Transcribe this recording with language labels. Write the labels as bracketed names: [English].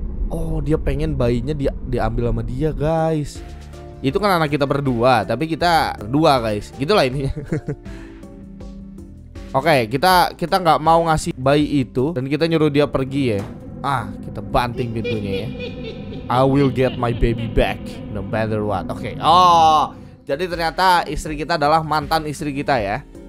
[Indonesian] Oh, dia pengen bayinya diambil sama dia, guys. Itu kan anak kita berdua, tapi kita berdua, guys. Gitulah ini. Oke, kita nggak mau ngasih bayi itu dan kita nyuruh dia pergi ya. Kita banting pintunya ya. [English] I will get my baby back no matter what. [Indonesian] Oke. Oh. Jadi ternyata istri kita adalah mantan istri kita ya.